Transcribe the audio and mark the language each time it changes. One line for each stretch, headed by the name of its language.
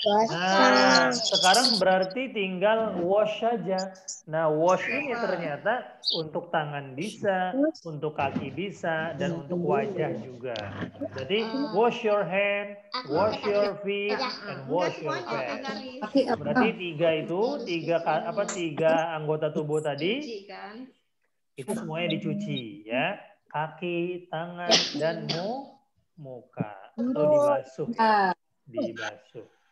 Indonesian: Nah, sekarang berarti tinggal wash saja. Nah, wash ini ternyata untuk tangan bisa, untuk kaki bisa, dan untuk wajah juga. Jadi,
English: wash your hand, wash your feet, and wash your face.
Indonesian: Berarti tiga itu, tiga anggota tubuh tadi, itu semuanya dicuci ya. Kaki, tangan, dan muka. Atau dibasuh. Dibasuh.